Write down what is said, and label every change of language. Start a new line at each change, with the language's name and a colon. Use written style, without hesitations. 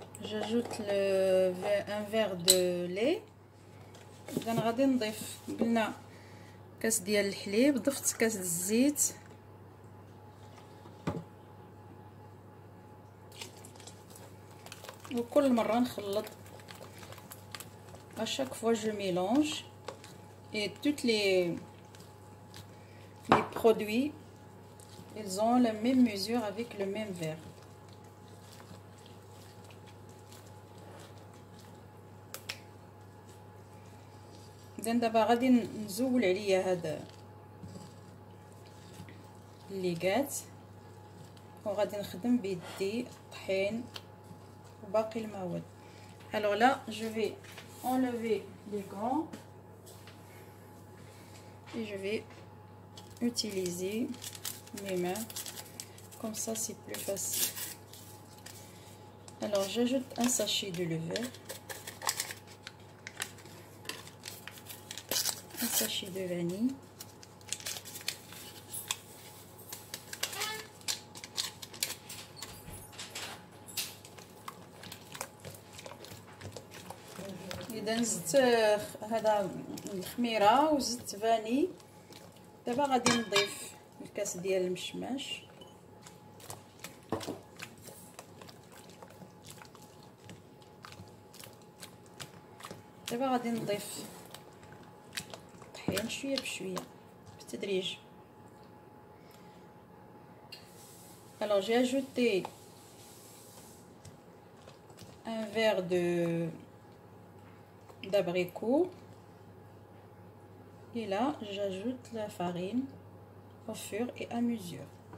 French: j'ajoute j'ajoute un verre de lait.
Arabic: إذن غادي نضيف قلنا كاس ديال الحليب، ضفت كاس الزيت، وكل مرة نخلط.
French: À chaque fois je mélange et toutes les produits ils ont la même mesure avec le même verre.
Arabic: زين دابا غادي نزول عليا هذا اللي قات وغادي نخدم بيدي طحين وباقي المواد.
French: alors là je vais enlever les gants et je vais utiliser mes mains comme ça c'est plus facile. alors j'ajoute un sachet de levure. Sachet de vanille.
Arabic: إذا زدت هذا الخميرة وزدت فاني. دابا غادي نضيف الكاس ديال المشماش. دابا غادي نضيف شويه بشويه بالتدريج.
French: alors j'ai ajouté un verre de d'abricot et là j'ajoute la farine au fur et à mesure.